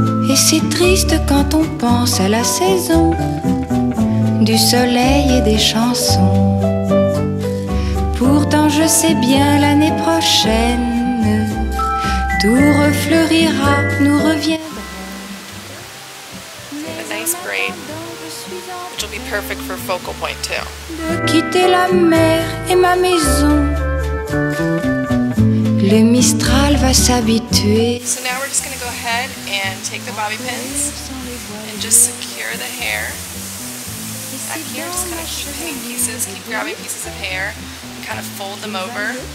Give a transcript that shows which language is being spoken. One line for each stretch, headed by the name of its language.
French: Et c'est triste quand on pense à la saison du soleil et des chansons. Pourtant je sais bien l'année prochaine tout refleurira, nous reviendra.
English: A nice braid, which will be perfect for focal point too.
French: De quitter la mer et ma maison, le mistral va s'habituer.
English: So now we're just going to go ahead and take the bobby pins and just secure the hair. Back here, just kind of keep hanging pieces, keep grabbing pieces of hair and kind of fold them over.